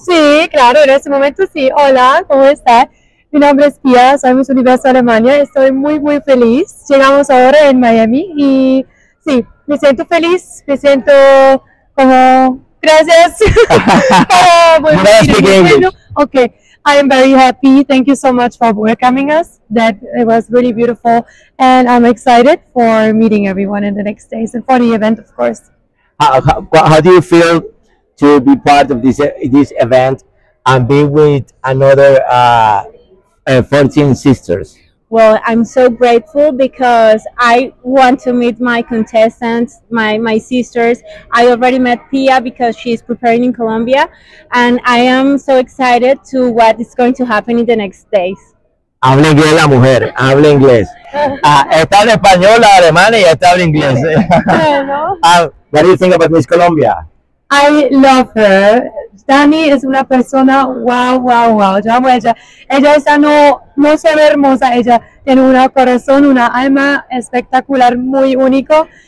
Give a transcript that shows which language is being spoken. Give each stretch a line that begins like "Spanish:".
Spanish: Sí, claro, en este momento sí. Hola, ¿cómo estás? Mi nombre es Pia, soy Miss Universo Alemania, estoy muy, muy feliz. Llegamos ahora en Miami y sí, me siento feliz, me siento como, gracias, como muy, muy bueno.
English: English. Ok, I am very happy, thank you so much for welcoming us, that it was really beautiful and I'm excited for meeting everyone in the next days and for the event, of course. How do you feel to be part of this event and be with another 14 sisters? Well, I'm so grateful because I want to meet my contestants, my sisters. I already met Pia because she's preparing in Colombia, and I am so excited to what is going to happen in the next days.
Spanish: Habla inglés la mujer, habla inglés. Está en español, la alemana y está en inglés. Bueno.
English: What do you think about Miss Colombia? I love her.
Spanish: Dani es una persona wow. Yo amo a ella. Ella está no solo hermosa, ella tiene un corazón, una alma espectacular, muy único.